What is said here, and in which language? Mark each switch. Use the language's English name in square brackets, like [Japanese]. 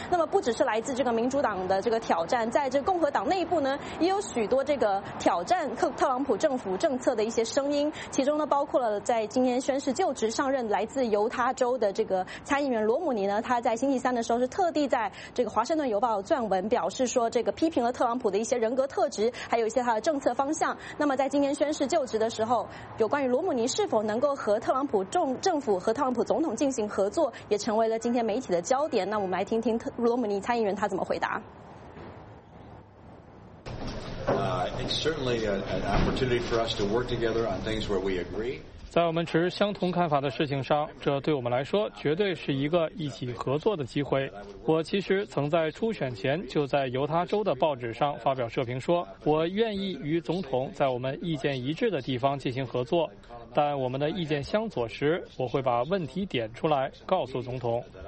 [Chinese] 那么不只是来自这个民主党的这个挑战，在这共和党内部呢也有许多这个挑战特朗普政府政策的一些声音，其中呢包括了在今天宣誓就职上任来自犹他州的这个参议员罗姆尼呢，他在星期三的时候是特地在这个华盛顿邮报撰文表示说，这个批评了特朗普的一些人格特质还有一些他的政策方向。那么在今天宣誓就职的时候，有关于罗姆尼是否能够和特朗普政府和特朗普总统进行合作也成为了今天媒体的焦点。那我们来听罗姆尼参议员他怎么回答。 [English] It's certainly an opportunity for us to work together on things where we agree. [Chinese] 在我们持相同看法的事情上，这对我们来说绝对是一个一起合作的机会。我其实曾在初选前就在犹他州的报纸上发表社评说，我愿意与总统在我们意见一致的地方进行合作，但我们的意见相左时，我会把问题点出来告诉总统。